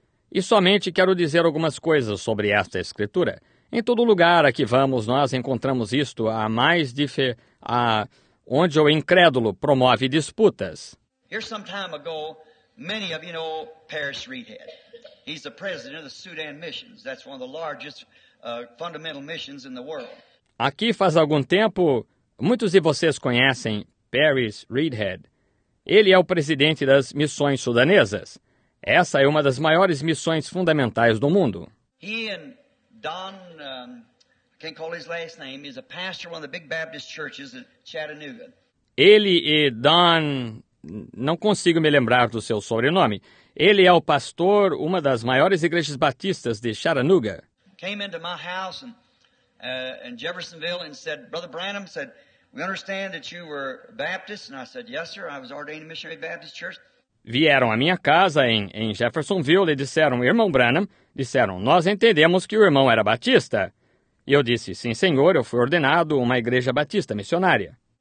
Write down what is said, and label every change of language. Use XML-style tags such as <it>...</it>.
<pt>E somente quero dizer algumas coisas sobre esta escritura. Em todo lugar a que vamos, nós encontramos isto, a mais de fé, onde o incrédulo promove disputas.</pt> <en>Here some time ago, many of you know Parrish Reedhead. He's the president of the Sudan Missions. That's one of the largest fundamental missions in the world.</en> <pt>Aqui faz algum tempo, muitos de vocês conhecem Parrish Reedhead. Ele é o presidente das missões sudanesas. Essa é uma das maiores missões fundamentais do mundo.</pt> <en>He and Don, Can't call his last name. He's a pastor of one of the big Baptist churches in Chattanooga.</en> <pt>Ele e Don, não consigo me lembrar do seu sobrenome. Ele é o pastor uma das maiores igrejas batistas de Chattanooga.</pt> <en>Came into my house in Jeffersonville and said, Brother Branham said, we understand that you were Baptist. And I said, yes, sir, I was ordained a missionary Baptist church.</en> <pt>Vieram à minha casa em Jeffersonville e disseram, Irmão Branham, disseram, nós entendemos que o irmão era batista. E eu disse, sim, senhor, eu fui ordenado uma igreja batista missionária.</pt>